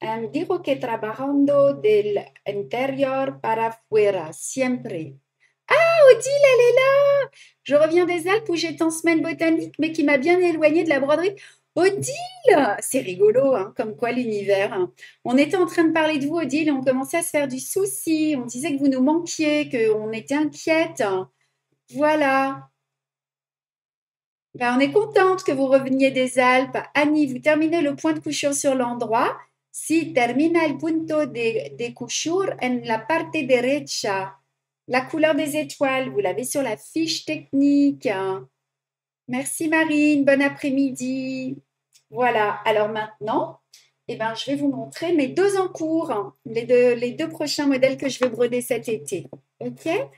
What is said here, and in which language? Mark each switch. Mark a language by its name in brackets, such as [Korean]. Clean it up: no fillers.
[Spanish] Dijo que trabajando del interior para afuera, siempre. [French] Ah, Odile, elle est là! Je reviens des Alpes où j'étais en semaine botanique, mais qui m'a bien éloignée de la broderie. Odile! C'est rigolo, hein, comme quoi l'univers. On était en train de parler de vous, Odile, et on commençait à se faire du souci. On disait que vous nous manquiez, qu'on était inquiète. Voilà. Ben, on est contente que vous reveniez des Alpes. Annie, vous terminez le point de couchure sur l'endroit. [Spanish] Si, termina el punto de couchure en la parte derecha. [French] La couleur des étoiles, vous l'avez sur la fiche technique. Merci Marine, bon après-midi. Voilà, alors maintenant, eh ben, je vais vous montrer mes deux encours, les deux prochains modèles que je vais broder cet été. OK?